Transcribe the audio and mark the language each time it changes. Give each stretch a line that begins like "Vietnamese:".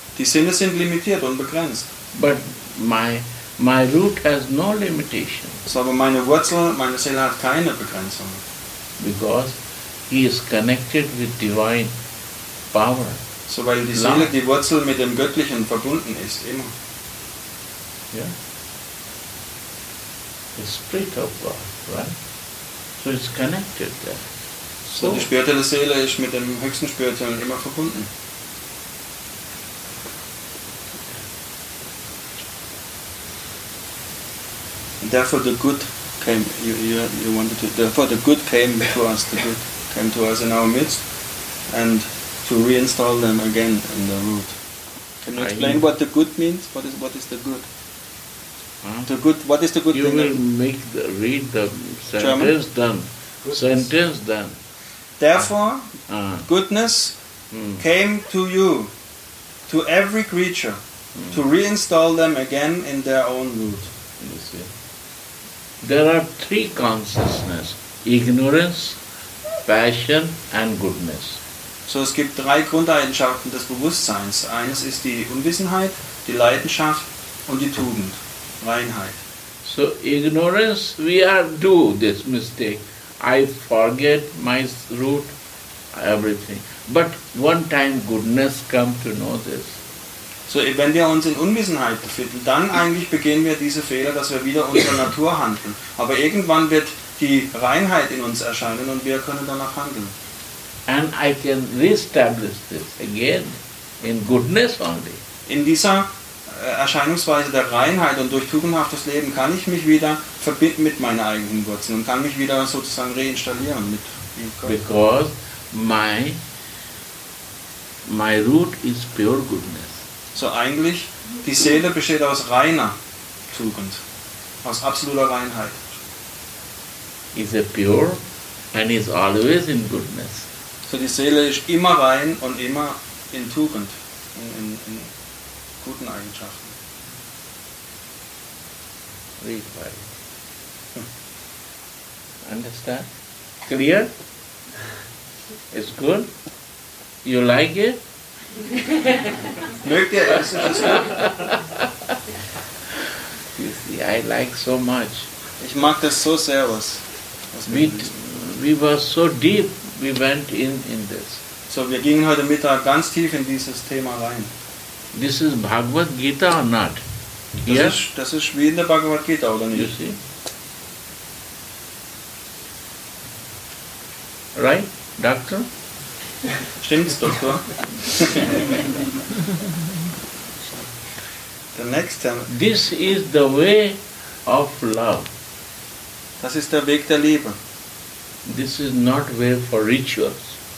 German: Die Sinne sind limitiert und begrenzt.
English: But my root has no limitation.
German: So, aber meine Wurzel, meine Seele hat keine Begrenzung.
English: Because he is connected with divine power.
German: So, weil die Seele, love, die Wurzel mit dem Göttlichen verbunden ist, immer.
English: Yeah. The Spirit of God, right? So it's connected there.
German: So die spirituelle Seele ist mit dem höchsten Spirituellen immer verbunden.
English: Therefore the good came, you wanted to, therefore the good came to us, the good came to us in our midst, and to reinstall them again in the root. Can you explain what the good means? What is the good? The good, what is the good you thing? You will make the, read the sentence Then. Goodness. Sentence then. Therefore, goodness came to you, to every creature, to reinstall them again in their own root. You see. There are three consciousness: ignorance, passion, and goodness.
German: So es gibt drei Grundeigenschaften des Bewusstseins. Eines ist die Unwissenheit, die Leidenschaft und die Tugend, Reinheit.
English: So ignorance, we are do this mistake. I forget my root, everything. But one time goodness come to know this.
German: So wenn wir uns in Unwissenheit befinden, dann eigentlich begehen wir diese Fehler, dass wir wieder unserer Natur handeln. Aber irgendwann wird die Reinheit in uns erscheinen und wir können danach handeln.
English: And I can re-establish this again in goodness only.
German: In dieser Erscheinungsweise der Reinheit und durch tugendhaftes Leben kann ich mich wieder verbinden mit meinen eigenen Wurzeln und kann mich wieder sozusagen reinstallieren mit Gott.
English: Because my root is pure goodness.
German: So eigentlich, die Seele besteht aus reiner Tugend, aus absoluter Reinheit.
English: Is a pure and is always in goodness.
German: So die Seele ist immer rein und immer in Tugend, in guten Eigenschaften.
English: Read by. Understand? Clear? It's good? You like it?
German: Mögt ihr Essen?
English: You see, I like so much.
German: Ich mag das so sehr, was.
English: We were so deep, we went in this.
German: So, wir gingen heute Mittag ganz tief in dieses Thema rein.
English: This is Bhagavad Gita or not? Yes.
German: Das ist wie in der Bhagavad Gita, oder nicht?
English: You see? Right, Doctor?
German: Stimmt's, Doktor?
English: The next time. This is the way of love.
German: Das ist der Weg der Liebe.
English: This is not way for rituals.